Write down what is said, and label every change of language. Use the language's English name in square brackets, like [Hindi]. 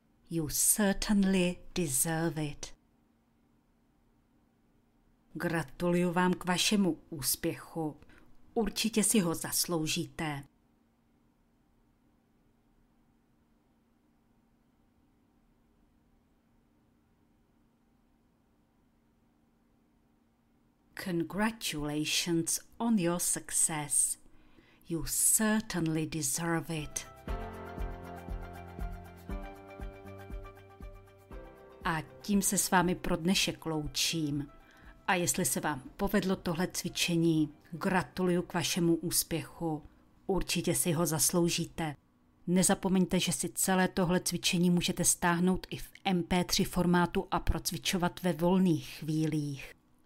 [English] You certainly deserve it. [Czech] Gratuluju vám k vašemu úspěchu. Určitě si ho zasloužíte. [English] Congratulations on your success. You certainly deserve it. [Czech] A tím se s vámi pro dnešek loučím. A jestli se vám povedlo tohle cvičení, gratuluju k vašemu úspěchu. Určitě si ho zasloužíte. Nezapomeňte, že si celé tohle cvičení můžete stáhnout i v MP3 formátu a procvičovat ve volných chvílích.